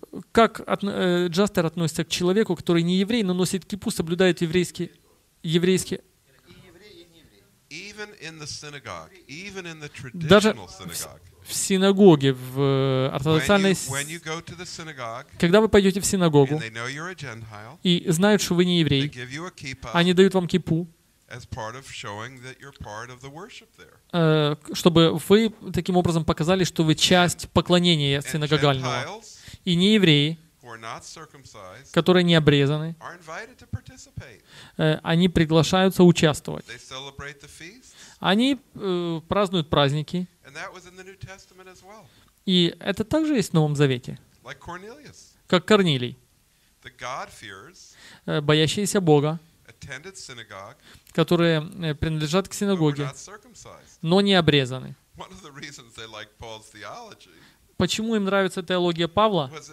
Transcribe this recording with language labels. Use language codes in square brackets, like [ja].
[ru] Как Джастер относится к человеку, который не еврей, но носит кипу, соблюдает еврейские [en] Even in the synagogue, even in the traditional synagogue. [ru] В синагоге, в ортодоксальной. [en] When you go to the synagogue. [ru] Когда вы пойдете в синагогу. [en] And they know you're a Gentile. [ru] И знают, что вы не еврей. [en] They give you a kippah. [ru] Они дают вам кипу. [en] As part of showing that you're part of the worship there. [ru] Чтобы вы таким образом показали, что вы часть поклонения синагогального. [en] And Gentiles. [ru] И не евреи. [en] Who are not circumcised, [ru] которые не обрезаны, [en] are invited to participate. [ru] Они приглашаются участвовать. [en] They celebrate the feast. [ru] Они празднуют праздники. [en] And that was in the New Testament as well. [ru] И это также есть в Новом Завете. [en] Like Cornelius. [ru] Как Корнилий. [en] The God-fearers, [ru] боящиеся Бога, [en] attended synagogue, [ru] которые принадлежат к синагоге, [en] but were not circumcised. [ru] Но не обрезаны. [en] One of the reasons they like Paul's theology. [ru] Почему им нравится теология Павла?